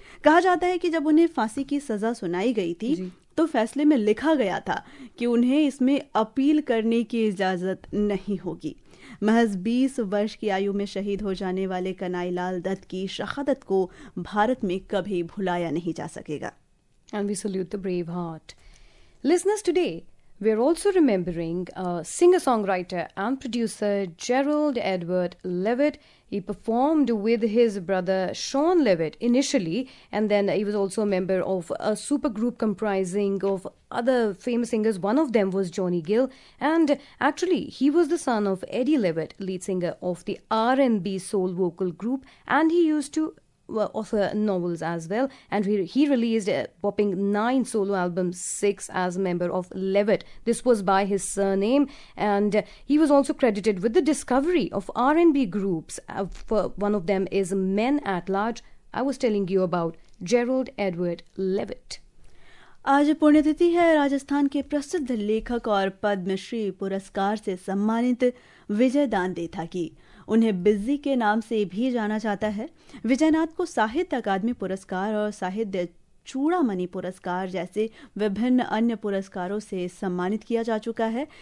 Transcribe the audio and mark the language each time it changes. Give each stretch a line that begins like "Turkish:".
Hindi: कहा जाता है कि जब उन्हें फांसी की सजा सुनाई गई थी तो फैसले में लिखा गया था कि उन्हें इसमें अपील करने की इजाजत नहीं होगी. महज 20 वर्ष की आयु में शहीद हो जाने वाले कनाईलाल दत्त की शहादत को भारत में कभी भुलाया नहीं जा सकेगा.
English: And we salute the brave heart. Listeners, today we are also remembering a singer-songwriter and producer, Gerald Edward Levitt. He performed with his brother Sean Levitt initially, and then he was also a member of a supergroup comprising of other famous singers. One of them was Johnny Gill, and actually he was the son of Eddie Levitt, lead singer of the R&B soul vocal group, and he used to author novels as well, and he released a whopping 9 solo albums, 6 as a member of Levitt. This was by his surname, and he was also credited with the discovery of R&B groups. One of them is Men at Large. I was telling you about Gerald Edward Levitt.
Hindi: आज पुण्यतिथि है राजस्थान के प्रसिद्ध लेखक और पद्मश्री पुरस्कार से सम्मानित विजय दांदेथा की. उन्हें बिजी के नाम से भी जाना जाता है. विजयनाथ को साहित्य अकादमी पुरस्कार और साहित्य चूड़ामणि पुरस्कार जैसे विभिन्न अन्य पुरस्कारों से सम्मानित किया जा चुका है.